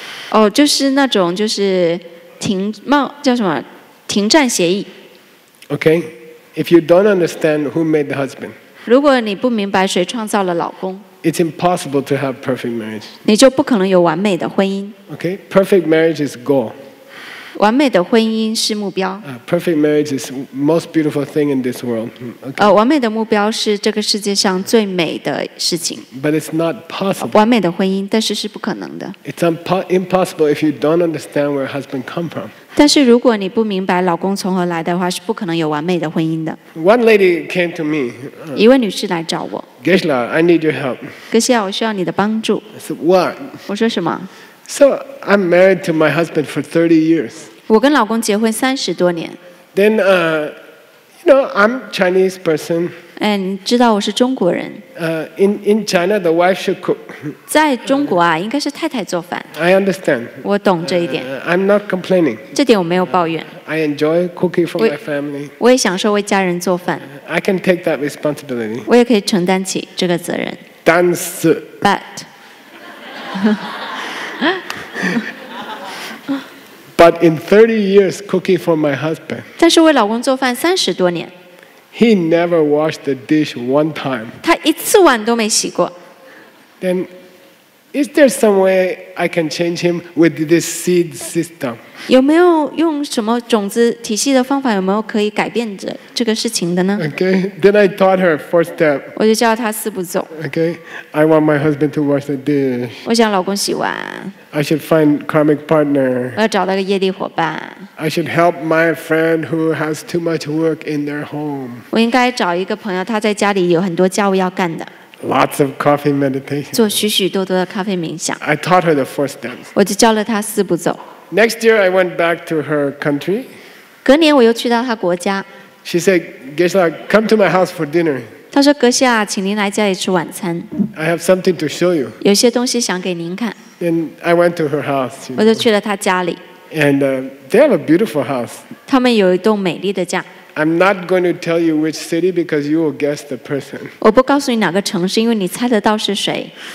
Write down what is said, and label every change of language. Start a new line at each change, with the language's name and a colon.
Chinese: 哦，就是那种就是停贸叫什么停战协议。
English: Okay, if you don't understand who made the husband.
Chinese: 如果你不明白谁创造了老公。
English: It's impossible to have perfect marriage.
Chinese: 你就不可能有完美的婚姻。
English: Okay, perfect marriage is goal.
Chinese: 完美的婚姻是目标。
English: Perfect marriage is most beautiful thing in this world.
Chinese: 完美的目标是这个世界上最美的事情。
English: But it's not possible.
Chinese: 完美的婚姻，但是是不可能的。
English: It's impossible if you don't understand where husband come from.
Chinese: 但是如果你不明白老公从何来的话，是不可能有完美的婚姻的。
English: One lady came to me.
Chinese: 一位女士来找我。
English: Geshe, I need your help.
Chinese: Geshe, 我需要你的帮助。
English: I said, what?
Chinese: 我说什么？
English: So I'm married to my husband for 30 years.
Chinese: 我跟老公结婚30多年。
English: Then, you know, I'm Chinese person.
Chinese: 哎，你知道我是中国人。
English: In China, the wife should cook.
Chinese: 在中国啊，应该是太太做饭。
English: I understand.
Chinese: 我懂这一点。
English: I'm not complaining.
Chinese: 这点我没有抱怨。
English: I enjoy cooking for my family.
Chinese: 我也享受为家人做饭。
English: I can take that responsibility.
Chinese: 我也可以承担起这个责任。但是。
English: But. But in 30 years cooking for my husband.
Chinese: 但是为老公做饭三十多年。
English: He never washed the dish one time.
Chinese: 他一次碗都没洗过。
English: Then Is there some way I can change him with this seed system?
Chinese: 有没有用什么种子体系的方法？有没有可以改变这个事情的呢
English: ？Okay, then I taught her four step.
Chinese: 我就教她四步骤。
English: Okay, I want my husband to wash the dish.
Chinese: 我想老公洗碗。
English: I should find karmic partner.
Chinese: 我要找到个业力伙伴。
English: I should help my friend who has too much work in their home.
Chinese: 我应该找一个朋友，他在家里有很多家务要干的。
English: Lots of coffee meditation.
Chinese: 做许许多多的咖啡冥想。
English: I taught her the four steps.
Chinese: 我就教了她四步骤。
English: Next year, I went back to her country.
Chinese: 隔年我又去到她国家。
English: She said, "Geshe, come to my house for dinner."
Chinese: 她说，阁下，请您来家里吃晚餐。
English: I have something to show you.
Chinese: 有些东西想给您看。
English: And I went to her house.
Chinese: 我就去了她家里。
English: And they have a beautiful house.
Chinese: 他们有一栋美丽的家。
English: I'm not going to tell you which city because you will guess the person.
Chinese: 我不告诉你哪个城市，因为你猜得到是谁。